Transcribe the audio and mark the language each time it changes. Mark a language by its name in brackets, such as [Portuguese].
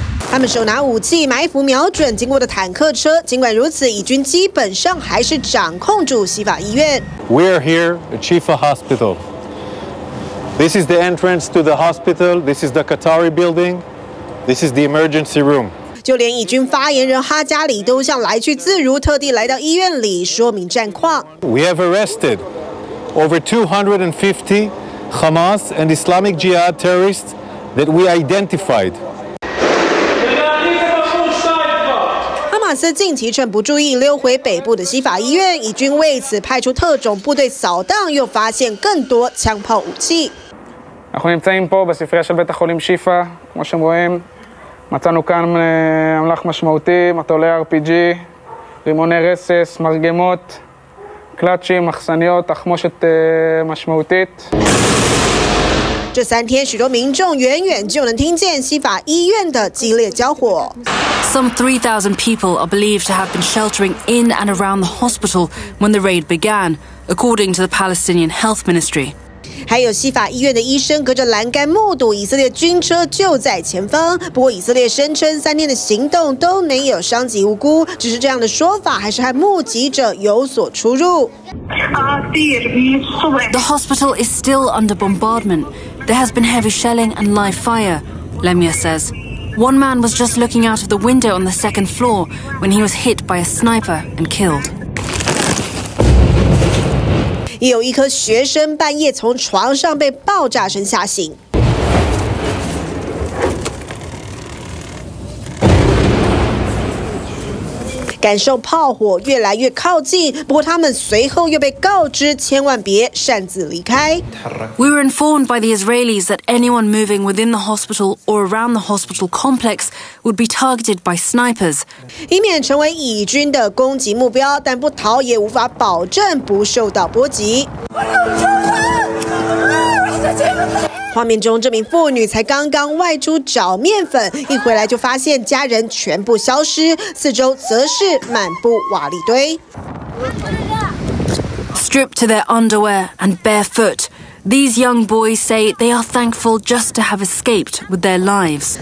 [Chinese] 他们手拿武器埋伏瞄准经过的坦克车，尽管如此，以军基本上还是掌控住西法医院。 [English] We are here at Shifa Hospital. This is the entrance to the hospital. This is the Qatari building. This is the emergency room. [Chinese] 就连以军发言人哈加里都像来去自如，特地来到医院里说明战况。 [English] We have arrested over 250 Hamas and Islamic Jihad terrorists that we identified. [Chinese] 哈马斯近期趁不注意溜回北部的西法医院，以军为此派出特种部队扫荡，又发现更多枪炮武器。 [Hebrew] אנחנו נמצאים פה בספרייה של בית החולים שיפא, כמו שאתם רואים. מצאנו כאן אמל"ח משמעותי, מטולי RPG, רימוני רסס, מרגמות, קלאצ'ים, מחסניות, תחמושת משמעותית. [Chinese] 这三天，许多民众远远就能听见西法医院的激烈交火。 [English] Some 3,000 people are believed to have been sheltering in and around the hospital when the raid began, according to the Palestinian Health Ministry. [Chinese] 还有西法医院的医生隔着栏杆目睹以色列军车就在前方，不过以色列声称三天的行动都没有伤及无辜，只是这样的说法还是和目击者有所出入。 [English] The hospital is still under bombardment. There has been heavy shelling and live fire, Lemia says. One man was just looking out of the window on the second floor when he was hit by a sniper and killed. [Chinese] 也有一颗学生半夜从床上被爆炸声吓醒。感受炮火越来越靠近，不过他们随后又被告知千万别擅自离开。 [English] We were informed by the Israelis that anyone moving within the hospital or around the hospital complex would be targeted by snipers. [Chinese] 以免成为以军的攻击目标，但不逃也无法保证不受到波及。画面中，这名妇女才刚刚外出找面粉，一回来就发现家人全部消失，四周则是满布瓦砾堆。 [English] Stripped to their underwear and barefoot, these young boys say they are thankful just to have escaped with their lives.